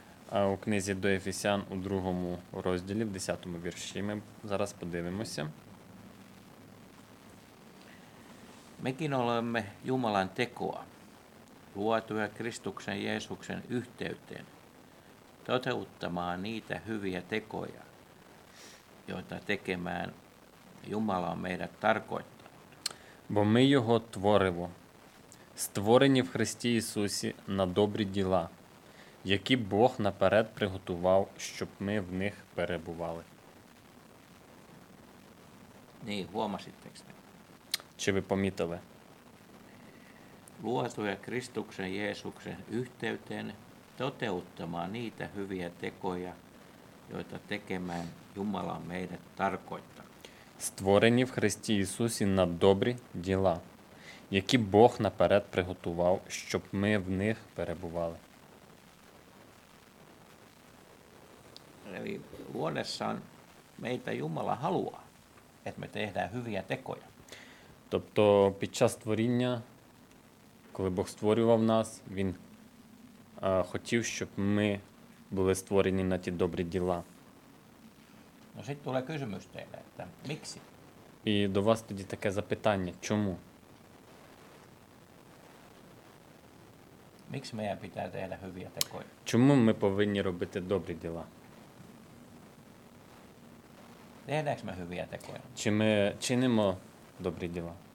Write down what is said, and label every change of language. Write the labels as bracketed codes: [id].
[uk] А у книзі до Ефесян у другому розділі, в 10-му вірші, ми зараз подивимося. [fi] Mekin olemme Jumalan tekoa, luotuja Kristuksen Jeesuksen yhteyteen, toteuttamaan niitä hyviä tekoja, joita tekemään Jumala on meidät tarkoittanut. [uk] Бо ми його творимо, створені в Христі Ісусі на добрі діла, які Бог наперед приготував, щоб ми в них перебували. [fi] Niin, huomasitteko? [uk] чи ви помітили? [fi] Luotuja Kristuksen Jeesuksen yhteyteen toteuttamaan niitä hyviä tekoja, joita tekemään Jumala meidät tarkoittaa. [uk] Створені в Христі Ісусі на добрі діла, які Бог наперед приготував, щоб ми в них перебували. [fi] Eli luodessaan meitä Jumala haluaa, että me tehdään hyviä tekoja. [uk] Тобто під час творіння, коли Бог створював нас, Він хотів, щоб ми були створені на ті добрі діла. [fi] No, sit tulee kysymys teille, että miksi? [uk] І до вас тоді таке запитання, чому? [fi] Miksi meidän pitää tehdä hyviä tekoja? [uk] Чому ми повинні робити добрі діла? [fi] Tehdäänkö me hyviä tekoja? [uk] Чи ми чинимо добрі діла?